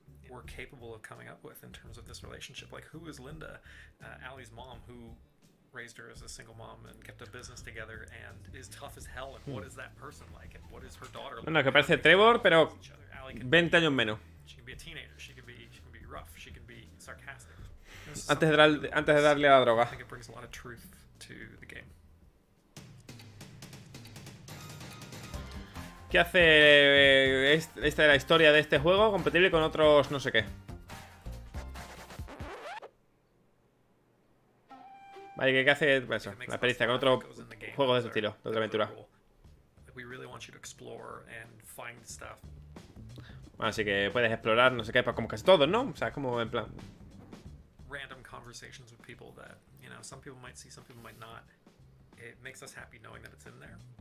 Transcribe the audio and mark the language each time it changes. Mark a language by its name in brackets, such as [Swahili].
[English] Were capable of coming up with in terms of this relationship. Like, who is Linda, Ali's mom, who raised her as a single mom and kept a business together and is tough as hell, and what is that person like, and what is her daughter like? [Spanish] Bueno, que parece Trevor, pero 20 años menos. [English] She can be a teenager, she can be rough, she can be sarcastic. [Spanish] Antes de darle a la droga. [English] I think it brings a lot of truth to the game. [Spanish] ¿Qué hace esta la historia de este juego compatible con otros no sé qué? Vale, ¿qué hace eso? La experiencia con otro juego de ese estilo, de otra aventura. Bueno, así que puedes explorar, no sé qué, pues como casi todo, ¿no? O sea, como en plan. [English] Random conversations with people that, you know, some people might see, some people might not. It makes us happy knowing that it's in there.